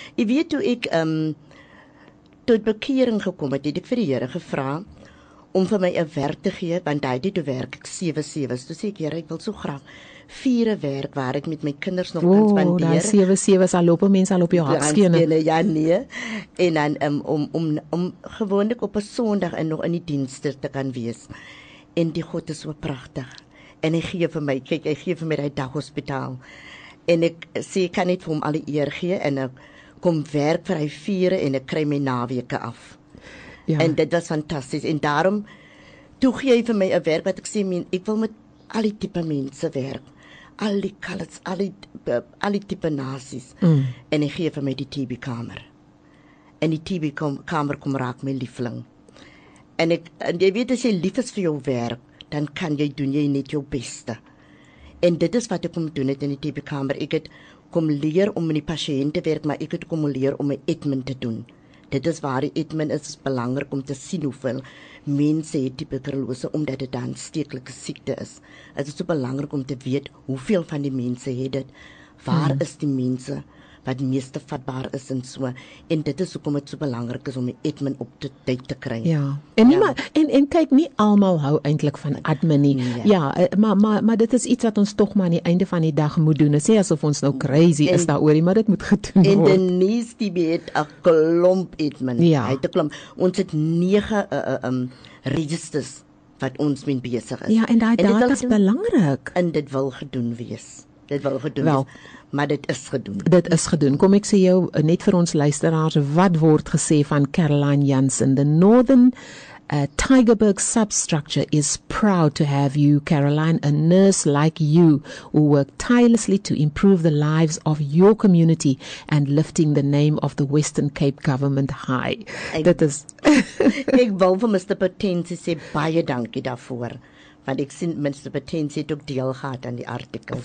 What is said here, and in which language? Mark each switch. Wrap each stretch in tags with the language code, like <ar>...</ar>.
<af>Jy weet hoe ek tot bekering gekom het, het ek vir die Here gevra, om vir my 'n werk te gee, want hy het werk, 7-7, so sê ek, Here, ek wil so graag 4 werk, waar ek met my kinders nog kan spandeer. Dan 7-7, sal loop een mens al op jou hartskene. Ja, nee. En dan om gewoonlik op 'n Sondag en nog in die dienste te kan wees. En die God is so prachtig. En hy gee vir my, kyk, hy gee vir my die daghospitaal. En ek sê, ek kan net vir hom al die eer gee, en ek kom werk vir hy vier, en ek kry my naweke af. Ja. En dit was fantastisch. En daarom toe gee jy vir my 'n werk wat ek sê, ek wil met al die type mense werk. Al die kalits, al die type nasies. Mm. En hy gee vir my die TB-kamer. En die TB-kamer kom raak my liefling. En jy weet, as jy lief is vir jou werk, dan kan jy doen jy net jou beste. En dit is wat ek kom doen het in die TB-kamer. Ek het kom leer om met die patiënt te werk, maar ek het kom leer om my admin te doen. Dit is waar die admin is belangrik om te sien hoeveel mense het die tuberkulose, omdat dit dan stekelike siekte is. Het is so belangrik om te weet hoeveel van die mense het dit, waar is die mense wat meeste vatbaar is en so. En dit is hoekom het so belangrik is om die admin op die tyd te kry. Ja, en, nie ja. Maar, en kyk, nie almal hou eintlik van admin nie. Nee. Ja, maar dit is iets wat ons toch maar aan die einde van die dag moet doen. Het sê asof ons nou crazy is daaroor, maar dit moet gedoen en word. En Denise, die het a klomp admin. Ja. Hy het a klomp. Ons het 9 registers wat ons mee bezig is. Ja, en die data is belangrik. En dit wil gedoen wees. Dit wil gedoen wel, wees, maar dit is gedoen. Dit is gedoen. Kom ek sê jou, net vir ons luisteraars, wat word gesê van Caroline Jansen?</af> <en>The Northern Tigerberg substructure is proud to have you, Caroline, a nurse like you, who work tirelessly to improve the lives of your community and lifting the name of the Western Cape government high.</en> <af>Dit is... ek wil vir Mr. Potensi sê baie dankie daarvoor. Want ek sien minste potentie het ook deel gehad aan die artikels.</af>